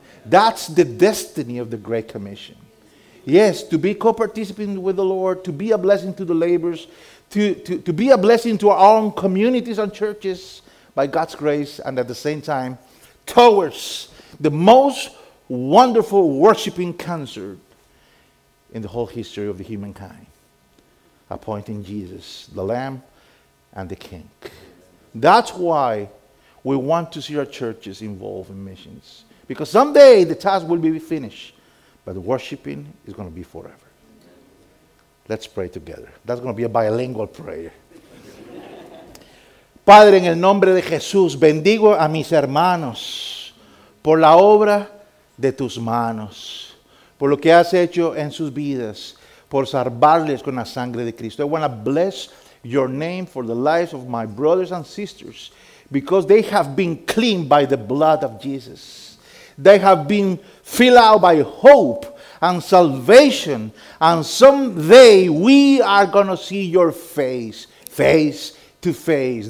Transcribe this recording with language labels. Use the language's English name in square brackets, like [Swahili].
[English] That's the destiny of the Great Commission. Yes, to be co-participant with the Lord, to be a blessing to the laborers, to be a blessing to our own communities and churches by God's grace, and at the same time, towards the most wonderful worshiping concert in the whole history of the humankind, appointing Jesus, the Lamb and the King. That's why we want to see our churches involved in missions. Because someday the task will be finished, but worshiping is going to be forever. Let's pray together. That's going to be a bilingual prayer. [Spanish] Padre, en el nombre de Jesús, bendigo a mis hermanos por la obra de tus manos, por lo que has hecho en sus vidas, por salvarles con la sangre de Cristo. [English] I want to bless your name for the lives of my brothers and sisters, because they have been cleaned by the blood of Jesus. They have been filled out by hope and salvation. And someday we are going to see your face, face to face.